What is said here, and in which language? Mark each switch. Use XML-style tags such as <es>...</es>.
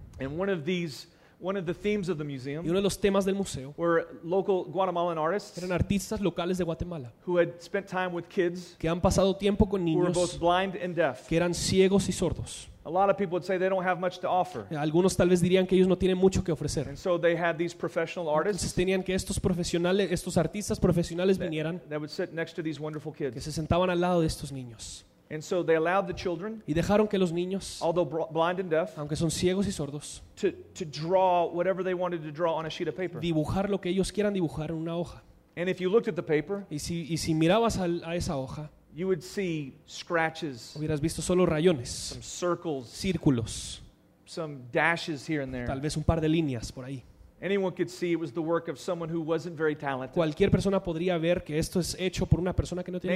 <en>and one of the themes of the museum,</en> <es>y uno de los temas del museo,</es> <en>were local Guatemalan artists,</en> <es>eran artistas locales de Guatemala,</es> <en>who had spent time with kids,</en> <es>que han pasado tiempo con niños,</es> <en>who were both blind and deaf,</en> <es>que eran ciegos y sordos.</es> <en>A lot of people would say they don't have much to offer.</en> <es>Algunos tal vez dirían que ellos no tienen mucho que ofrecer.</es> <en>And so they had these professional artists.</en> <es>Entonces tenían que estos artistas profesionales vinieran.</es> <en>They would sit next to these wonderful kids.</en> <es>Que se sentaban al lado de estos niños.</es> <en>And so they allowed the children,</en> <es>y dejaron que los niños,</es> <en>although blind and deaf,</en> <es>aunque son ciegos y sordos,</es> <en>to draw whatever they wanted to draw on a sheet of paper.</en> <es>Dibujar lo que ellos quieran dibujar en una hoja.</es> <en>And if you looked at the paper,</en> <es>y si mirabas a esa hoja,</es> <en>you would see scratches,</en> <es>hubieras visto solo rayones,</es> <en>some circles,</en> <es>círculos,</es> <en>some dashes here and there,</en> <es>tal vez un par de líneas por ahí.</es> <en>Anyone could see it was the work of someone who wasn't very talented.</en> <es>Cualquier persona podría ver que esto es hecho por una persona que no tiene</es>